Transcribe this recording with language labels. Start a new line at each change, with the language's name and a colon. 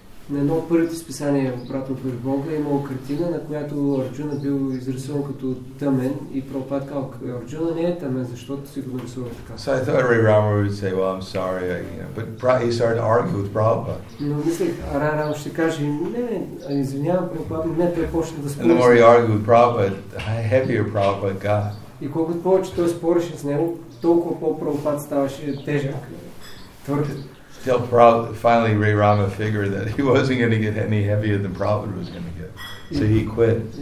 Bulgarian: На едно от първите списания обратно при Бога е имало картина, на която Арджуна бил изрисуван като тъмен и Прабхупад казал, Арджуна не е тъмен, защото си го нарисува така.
English: So I thought Рей Рама would say, well, I'm sorry, you know, but he started to argue with Prabhupada.
Bulgarian: Но мислех, Рей Рама ще каже, не, извинявам, Прабхупад, не, той почна да спори.
English: And the more he argued with Prabhupada, the heavier Prabhupada got.
Bulgarian: И колкото повече той спореше с него, толкова по-Прабхупад ставаше тежък, твърд.
English: Till finally Ray Rama figured that he wasn't going to get any heavier than Prabhupada was going to get. So he quit.